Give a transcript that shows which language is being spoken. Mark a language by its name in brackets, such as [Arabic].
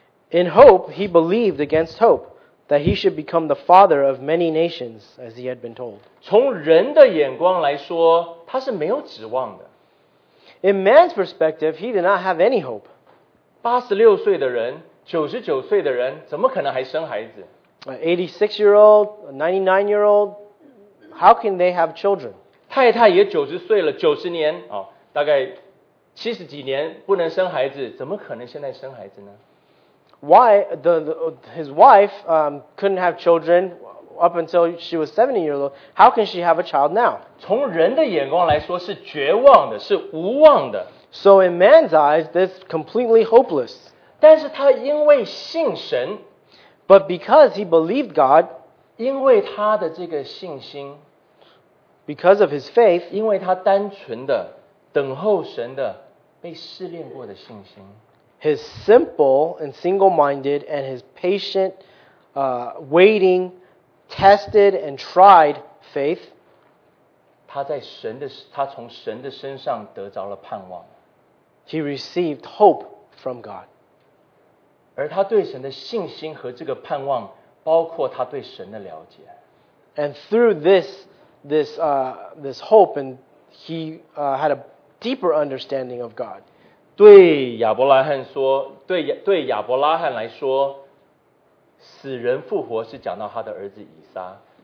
[English] In hope, he believed against hope that he should become the father of many nations, as he had been told. [Chinese] 从人的眼光来说，他是没有指望的。 [English] In man's perspective, he did not have any hope. [Chinese] 86岁的人，99岁的人，怎么可能还生孩子？ [English] 86-year-old, 99-year-old, how can they have children? [Chinese] 太太也90岁了，90年，大概70几年不能生孩子，怎么可能现在生孩子呢？ [English] Why his wife couldn't have children up until she was 70 years old. How can she have a child now? [Chinese] 从人的眼光来说是绝望的，是无望的。 [English] So in man's eyes, that's completely hopeless. [Chinese] 但是他因为信神， [English] But because he believed God, [Chinese] 因为他的这个信心， [English] Because of his faith, [Chinese] 因为他单纯的等候神的被试炼过的信心， [English] His simple and single-minded and his patient waiting, tested and tried faith, [Chinese] 他从神的身上得着了盼望。 [English] He received hope from God. [Chinese] 而他对神的信心和这个盼望包括他对神的了解。 [English] And through this hope, and he had a deeper understanding of God. [Chinese] 对亚伯拉罕说，对亚伯拉罕来说，死人复活是讲到他的儿子以撒。